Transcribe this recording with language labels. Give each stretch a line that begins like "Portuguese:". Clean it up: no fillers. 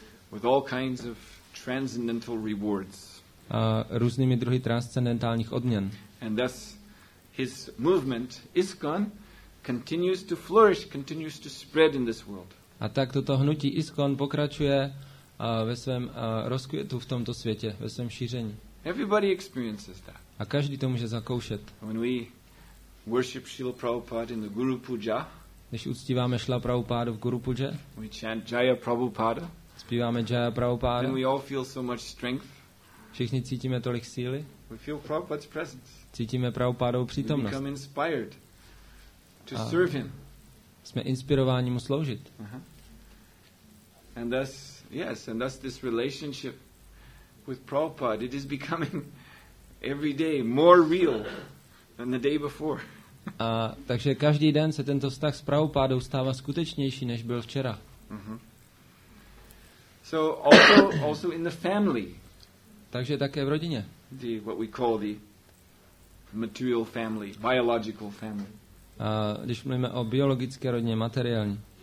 English: With all kinds of transcendental rewards.
Czech: A různými druhy transcendentálních odměn.
English: And thus his movement ISKCON continues to flourish, continues to spread in this world.
Czech: A tak toto hnutí ISKCON pokračuje ve svém rozkvětu v tomto světě, ve svém šíření.
English: Everybody experiences that.
Czech: A každý to může zakoušet.
English: When we worship Srila Prabhupada in the Guru Puja,
Czech: když uctíváme Srila Prabhupádu v Guru Puja,
English: we chant Jaya Prabhupada,
Czech: zpíváme Jaya Prabhupada,
English: then we all feel so much strength.
Czech: Všichni cítíme tolik síly.
English: We feel Prabhupada's presence.
Czech: Cítíme Prabhupádovou přítomnost.
English: We become inspired to serve him.
Czech: Jsme inspirováni mu sloužit.
English: And thus, yes, and thus this relationship with Prabhupada, it is becoming every day more real than the day before.
Czech: A takže každý den se tento vztah s Prabhupádou stává skutečnější než byl včera.
English: So also in the family.
Czech: Takže také v rodině.
English: The what we call the material family, biological family.
Czech: A když mluvíme o biologické rodině, materiální.